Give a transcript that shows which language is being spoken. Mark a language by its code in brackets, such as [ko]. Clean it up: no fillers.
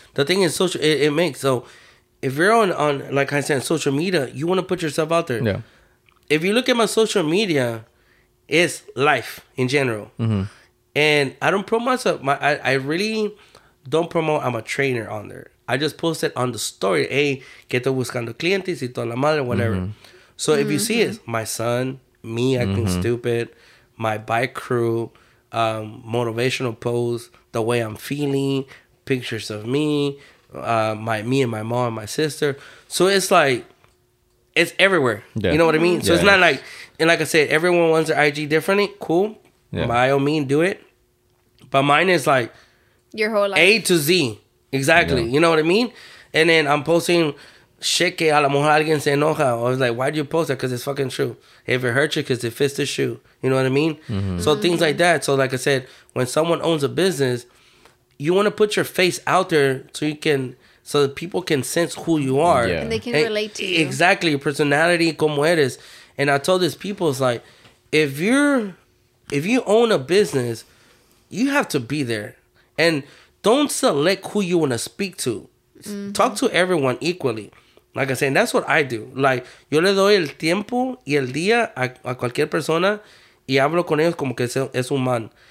[en] The thing is, social, it makes, so if you're on, like I said, social media, you want to put yourself out there. Yeah. If you look at my social media, it's life in general. Mm-hmm. And I don't promote myself. I really don't promote I'm a trainer on there. I just post it on the story. [es] Hey, que estoy buscando clientes y toda la madre, whatever. Mm-hmm. [en] So if you see it, my son, me acting stupid, my bike crew, motivational pose, the way I'm feeling, pictures of me, me and my mom and my sister. So it's like, it's everywhere. Yeah. You know what I mean? So yeah, it's not like, and like I said, everyone wants their IG differently. Cool. Yeah. By all means, do it. But mine is like your whole life, A to Z, exactly. Yeah. You know what I mean? And then I'm posting shit [es] que a la mujer alguien se enoja. [en] I was like, why do you post that? Because it's fucking true. If it hurts you, because it fits the shoe. You know what I mean? Mm-hmm. So things like that. So like I said, when someone owns a business, you want to put your face out there so you can, so that people can sense who you are. Yeah. And they can relate to you. Exactly. Your personality, [es] como eres. [en] And I told these people, it's like, if you own a business, you have to be there. And don't select who you want to speak to. Mm-hmm. Talk to everyone equally. Like I said, that's what I do. [es] Like, yo le doy el tiempo y el día a cualquier persona y hablo con ellos como que es un man.